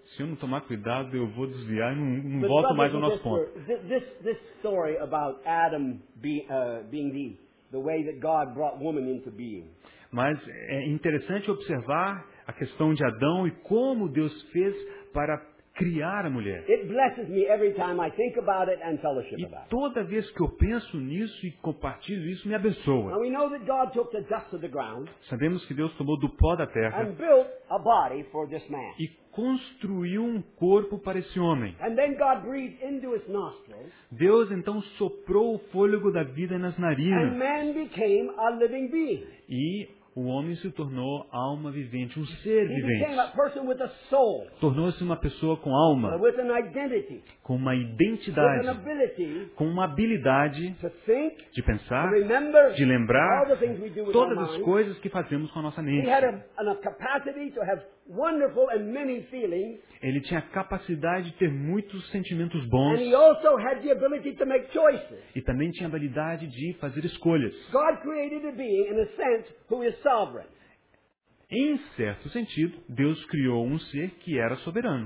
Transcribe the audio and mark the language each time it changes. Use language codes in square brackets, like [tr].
[pt] Se eu não tomar cuidado, eu vou desviar e não volto mais ao nosso ponto. [en] This story about Adam being the way that God brought woman into being. [pt] Mas é interessante observar a questão de Adão e como Deus fez para criar a mulher. [en] It blesses me every time I think about it and fellowship about it. [pt] E toda vez que eu penso nisso e compartilho isso, me abençoa. [en] Now we know that God took the dust of the ground. [pt] Sabemos que Deus tomou do pó da terra. [en] And built a body for this man. [pt] E construiu um corpo para esse homem. [en] And then God breathed into his nostrils. [pt] Deus então soprou o fôlego da vida nas narinas. [en] And man became a living being. [pt] E o homem se tornou alma vivente, um ser vivente. [en] He became a person with a soul. [pt] Tornou-se uma pessoa com alma. [en] With an identity. [pt] Com uma identidade. [en] With an ability. [pt] Com uma habilidade [en] to think, [pt] de pensar, [en] to remember, [pt] de lembrar [en] all the things we do with [pt] todas [en] our [pt] as coisas que fazemos com a nossa mente. [en] He had a capacity to have wonderful and many feelings. [pt] Ele tinha a capacidade de ter muitos sentimentos bons. [en] And he also had the ability to make choices. [pt] E também tinha a habilidade de fazer escolhas. [en] God created a being in a sense who is sovereign. [pt] Em certo sentido, Deus criou um ser que era soberano.